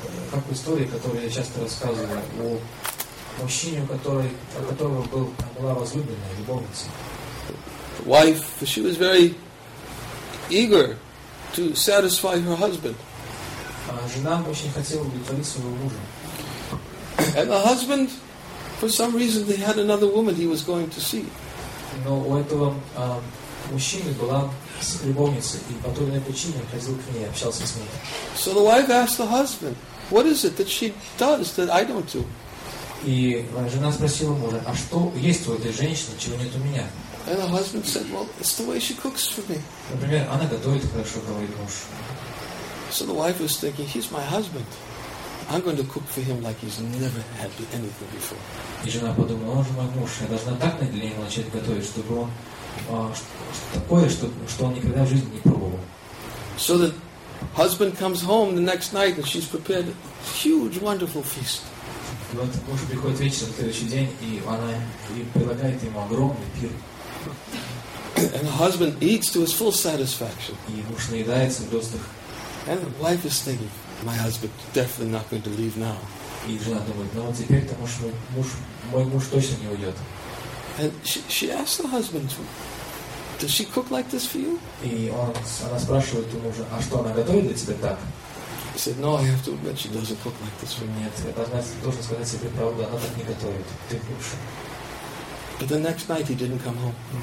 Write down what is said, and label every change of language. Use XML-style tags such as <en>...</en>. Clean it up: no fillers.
<ru>Как в истории, которую я часто рассказываю о мужчине, у которого была возлюбленная любовница.</ru> <en>Wife, she was very eager to satisfy her husband.</en> <ru>Жена очень хотела удовлетворить своего мужа.</ru> <en>And the husband, for some reason, they had another woman he was going to see.</en> <ru>Но у этого мужчины была любовница, и по той или иной причине он ходил к ней, общался с ней.</ru> <en>So the wife asked the husband, "What is it that she does that I don't do?"</en> <ru>И жена спросила мужа, а что есть у этой женщины, чего нет у меня?</ru> <en>And the husband said, well, it's the way she cooks for me.</en> <ru>Например, она готовит хорошо, говорит муж.</ru> <en>So the wife was thinking, he's my husband. I'm going to cook for him like he's never had anything before.</en> <ru>И жена подумала, он же мой муж, я должна так для него начать готовить, чтобы он что он никогда в жизни не пробовал.</ru> <en>So the husband comes home the next night and she's prepared a huge, wonderful feast.</en> <ru>И вот муж приходит вечером в следующий день, и она предлагает ему огромный пир.</ru> <en>And the husband eats to his full satisfaction.</en> <ru>И муж наедается вдосталь.</ru> <en>And the wife is thinking, my husband definitely not going to leave now.</en> <ru>И жена думает, ну вот теперь, потому что мой муж точно не уйдет.</ru> <en>And she asks the husband, does she cook like this for you?</en> <ru>И она спрашивает у мужа, а что она готовит для тебя так?</ru> <en>He said, no, I have to admit, she doesn't cook like this for me. But the next night, he didn't come home.</en>